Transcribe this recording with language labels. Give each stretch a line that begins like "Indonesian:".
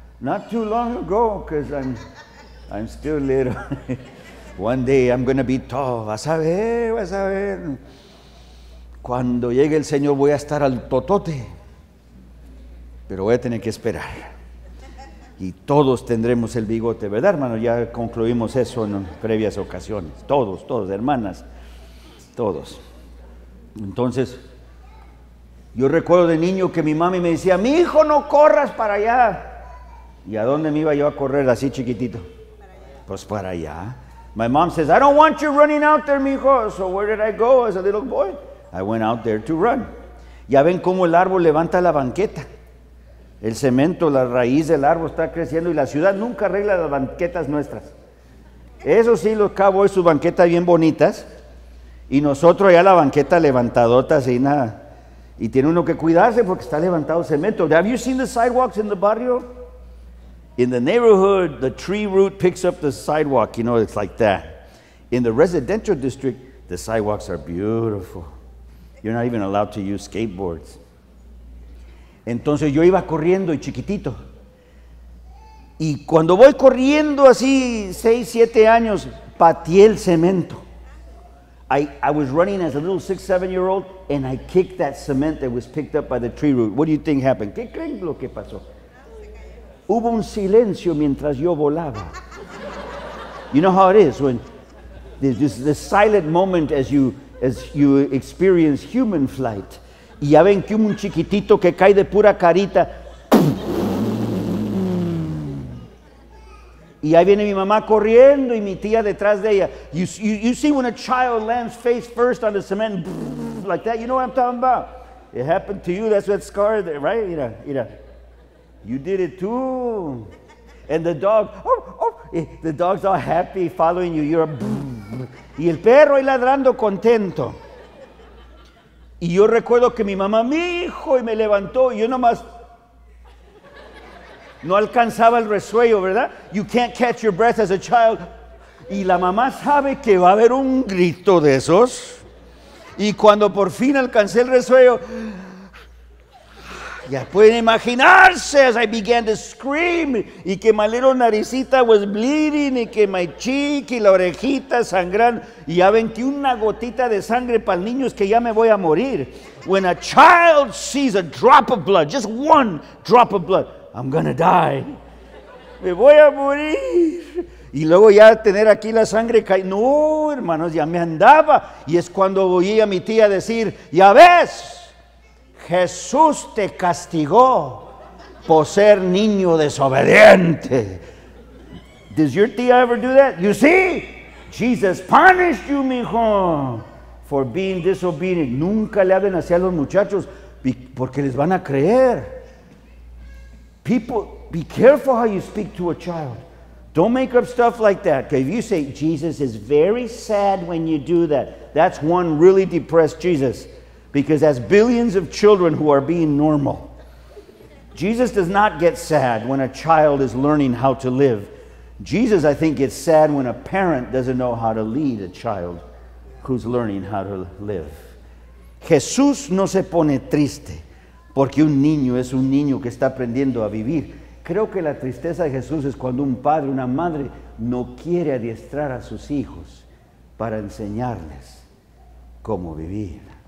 English: Not too long ago, because I'm still little. One day I'm going to be tall.
Spanish: Vas a ver. Cuando llegue el Señor voy a estar al totote. Pero voy a tener que esperar. Y todos tendremos el bigote, ¿verdad, hermano? Ya concluimos eso en previas ocasiones. Todos, hermanas. Todos. Entonces, yo recuerdo de niño que mi mami me decía, mi hijo, no corras para allá. ¿Y a dónde me iba yo a correr así chiquitito? Pues para allá.
English: My mom says, I don't want you running out there, mijo. So where did I go as a little boy? I went out there to run.
Spanish: Ya ven cómo el árbol levanta la banqueta. El cemento, la raíz del árbol está creciendo y la ciudad nunca arregla las banquetas nuestras. Eso sí, los cowboys, sus banquetas bien bonitas. Y nosotros ya la banqueta levantadota, así nada. Y tiene uno que cuidarse porque está levantado el cemento.
English: Have you seen the sidewalks in the barrio? In the neighborhood, the tree root picks up the sidewalk, you know, it's like that. In the residential district, the sidewalks are beautiful. You're not even allowed to use skateboards.
Spanish: Entonces yo iba corriendo y chiquitito. Y cuando voy corriendo así, 6, 7 años, pateé el cemento.
English: I was running as a little 6, 7-year-old, and I kicked that cement that was picked up by the tree root. What do you think happened?
Spanish: ¿Qué creen lo que pasó? Hubo un silencio mientras yo volaba.
English: You know how it is when this silent moment as you experience human flight.
Spanish: Y ya ven que un chiquitito que cae de pura carita. Y ahí viene mi mamá corriendo y mi tía detrás de ella.
English: You see when a child lands face first on the cement like that. You know what I'm talking about? It happened to you. That's what scarred, right?
Spanish: Mira.
English: You did it too. And the dog, the dog's all happy following you. You're a brr.
Spanish: Y el perro ahí ladrando contento. Y yo recuerdo que mi mamá, mi hijo, y me levantó. Y yo nomás, no alcanzaba el resuello, ¿verdad?
English: You can't catch your breath as a child.
Spanish: Y la mamá sabe que va a haber un grito de esos. Y cuando por fin alcancé el resuello, ya pueden imaginarse,
English: as I began to scream,
Spanish: y que
English: my little
Spanish: naricita
English: was bleeding,
Spanish: y que
English: my cheek,
Spanish: y la orejita sangrando, y ya ven que una gotita de sangre para el niño es que ya me voy a morir.
English: When a child sees a drop of blood, just one drop of blood, I'm gonna die.
Spanish: me voy a morir. Y luego ya tener aquí la sangre caída. No, hermanos, ya me andaba. Y es cuando oí a mi tía decir, ya ves, Jesús te castigó por ser niño desobediente.
English: Does your tía ever do that? You see, Jesus punished you, mijo, for being disobedient.
Spanish: Nunca le hablen así a los muchachos porque les van a creer.
English: People, be careful how you speak to a child. Don't make up stuff like that. If you say, Jesus is very sad when you do that, that's one really depressed Jesus. Because that's billions of children who are being normal. Jesus does not get sad when a child is learning how to live. Jesus, I think, gets sad when a parent doesn't know how to lead a child who's learning how to live.
Spanish: Jesús no se pone triste porque un niño que está aprendiendo a vivir. Creo que la tristeza de Jesús es cuando un padre, una madre, no quiere adiestrar a sus hijos para enseñarles cómo vivir.